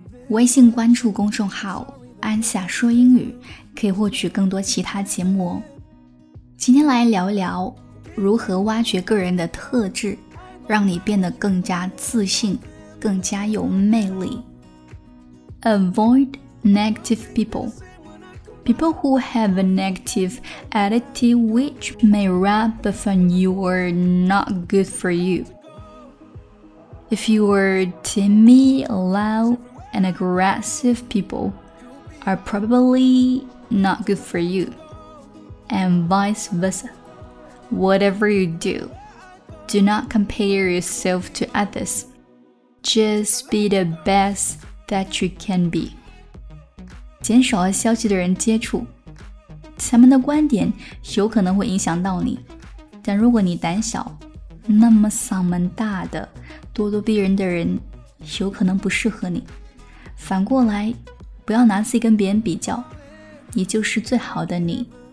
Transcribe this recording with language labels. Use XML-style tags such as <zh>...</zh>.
<zh>微信关注公众号安夏说英语，可以获取更多其他节目哦。今天来聊一聊如何挖掘个人的特质，让你变得更加自信，更加有魅力。</zh> <en>Avoid negative people. People who have a negative attitude which may rub off on you are not good for you. If you are timid, loud, and aggressive, people are probably not good for you. And vice versa. Whatever you do, do not compare yourself to others. Just be the best that you can be.</en> <zh>减少和消极的人接触，他们的观点有可能会影响到你，但如果你胆小，那么嗓门大的、咄咄逼人的人有可能不适合你。反过来，不要拿自己跟别人比较，你就是最好的你。</zh>